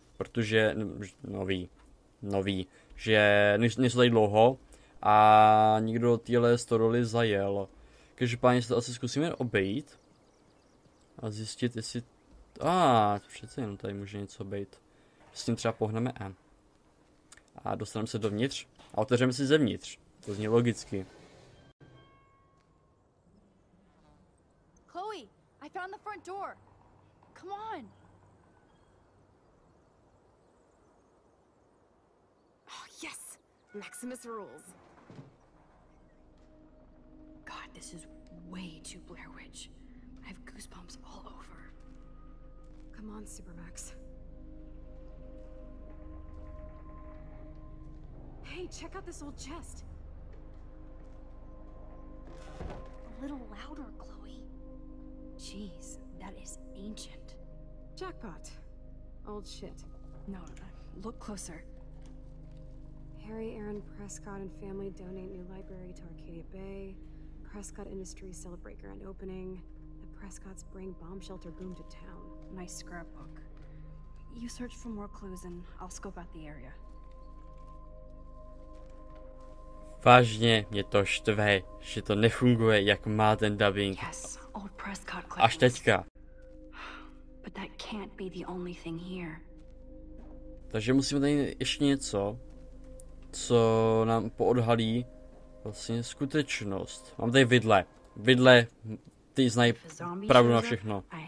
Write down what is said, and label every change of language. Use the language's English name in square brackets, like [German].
[Czech] Protože, nový, že nejsou tady dlouho a nikdo téhle stodoly zajel. Každopádně se to asi zkusíme obejít. A zjistit, jestli... přece jenom tady může něco být. S tím třeba pohneme M. A dostaneme se dovnitř a otevřeme si zevnitř. To zní logicky. [English] Chloe, I found the front door. Come on. Oh, yes. Maximus rules. God, this is way too Blair Witch. I have goosebumps all over. Come on, Supermax. Hey, check out this old chest. A little louder, Chloe. Jeez, that is ancient. Jackpot. Old shit. No, look closer. Harry Aaron Prescott and family donate new library to Arcadia Bay. Prescott Industries celebrate grand opening. The Prescotts bring bomb shelter boom to town. Nice scrapbook. You search for more clues and I'll scope out the area. [Czech] Vážně, mě to štve, že to nefunguje, jak má ten dubbing. [English] Yes, old Prescott clippings. [Czech] Až teďka. [English] But that can't be the only thing here. [Czech] Takže musíme tady ještě něco, co nám poodhalí vlastně skutečnost. Mám tady vidle. Vidle, ty znají pravdu na všechno.